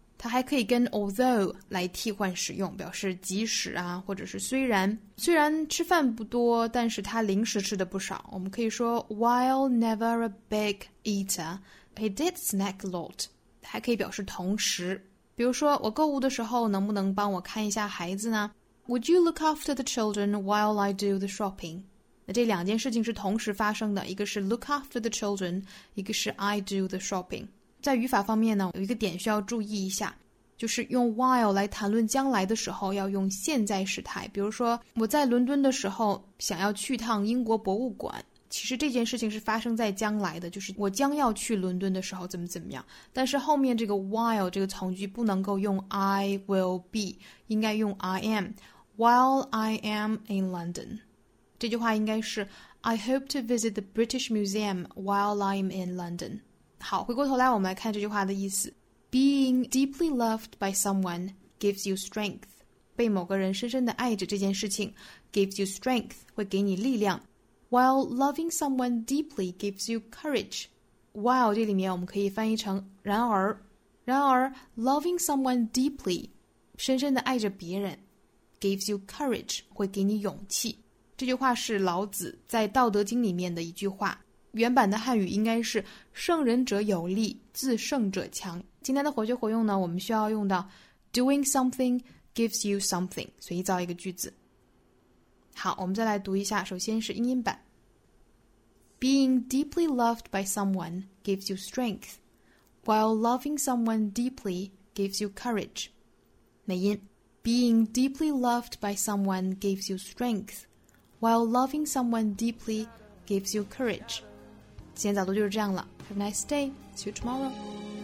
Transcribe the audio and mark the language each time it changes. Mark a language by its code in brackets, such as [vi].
[zh] 它还可以跟 although 来替换使用，表示即使啊，或者是虽然。虽然吃饭不多，但是他零食吃的不少。我们可以说 [en] while never a big eater, he did snack a lot. [zh] 还可以表示同时。比如说我购物的时候能不能帮我看一下孩子呢？ [en] Would you look after the children while I do the shopping? [zh] 那这两件事情是同时发生的，一个是 [en] look after the children, [zh] 一个是 [en] I do the shopping。 [zh] 在语法方面呢，有一个点需要注意一下，就是用 while 来谈论将来的时候要用现在时态。比如说我在伦敦的时候想要去趟英国博物馆，其实这件事情是发生在将来的，就是我将要去伦敦的时候怎么怎么样。但是后面这个 while 这个从句不能够用 [en] I will be， [zh] 应该用 [en] I am。 While I am in London， [zh] 这句话应该是 [en] I hope to visit the British Museum while I'm in London。 [zh] 好，回过头来我们来看这句话的意思。 [en] Being deeply loved by someone gives you strength. [zh] 被某个人深深地爱着这件事情 [en] gives you strength, [zh] 会给你力量。 [en] While loving someone deeply gives you courage. While [zh] 这里面我们可以翻译成然而。然而 [en] loving someone deeply, [zh] 深深地爱着别人 [en] gives you courage, [zh] 会给你勇气。这句话是老子在道德经里面的一句话。原版的汉语应该是胜人者有力，自胜者强。今天的活学活用呢，我们需要用到 [en] doing something gives you something， [zh] 随意造一个句子。好，我们再来读一下，首先是英音版。 [en] Being deeply loved by someone gives you strength, while loving someone deeply gives you courage. [zh] 美音。 [en] Being deeply loved by someone gives you strength, while loving someone deeply gives you courage. [zh] 今天早读就是这样了。 [en] Have a nice day. See you tomorrow.